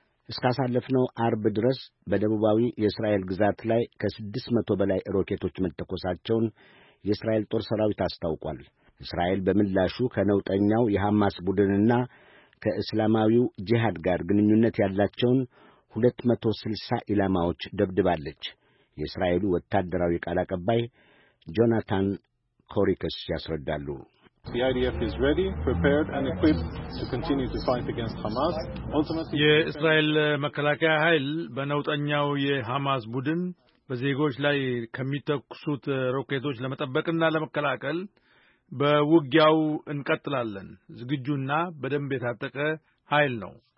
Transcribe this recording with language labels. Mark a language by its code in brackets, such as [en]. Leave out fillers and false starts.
[am] እስካሳለፍነው አርብ ድረስ በደቡባዊ የእስራኤል ግዛት ላይ ከ600 በላይ ሮኬቶች መተኮሳቸውን የእስራኤል ጦር ሰራዊት አስታውቋል። እስራኤል በምላሹ ከነውጠኛው የሐማስ ቡድንና ከእስላማዊው ጂሃድ ጋር ግንኙነት ያላቸውን 260 ኢላማዎች ደብድባለች። የእስራኤሉ ወታደራዊ ቃል አቀባይ ጆናታን ኮሪከስ ያስረዳሉ። [en] CIDF is ready, prepared and equipped to continue to fight against Hamas. Ultimately, [am] የእስራኤል መከላከያ ኃይል በነውጠኛው የሐማስ ቡድን በዜጎች ላይ ከመተኩሱት ሮኬቶች ለመጠበቅና ለመከላከል በውጊያው እንቀጥላለን። ዝግጁና በደንብ የታጠቀ ኃይል ነው።